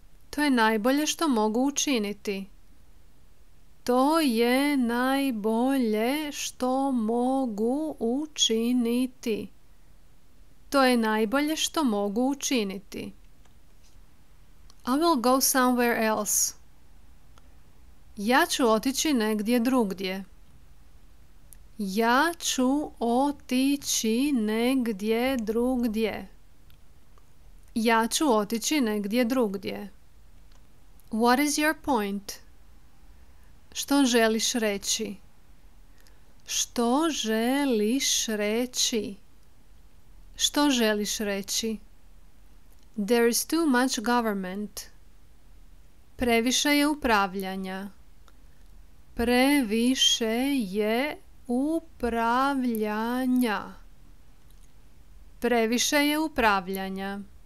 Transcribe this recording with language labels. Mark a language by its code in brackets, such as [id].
[hr] To je najbolje što mogu učiniti. To je najbolje što mogu učiniti. To je najbolje što mogu učiniti. [en] I will go somewhere else. [hr] Ja ću otići negdje drugdje. Ja ću otići negdje drugdje. Ja ću otići negdje drugdje. [en] What is your point? [hr] Što želiš reći? Što želiš reći? Što želiš reći? [en] There is too much government. [hr] Previše je upravljanja. Previše je upravljanja. Previše je upravljanja.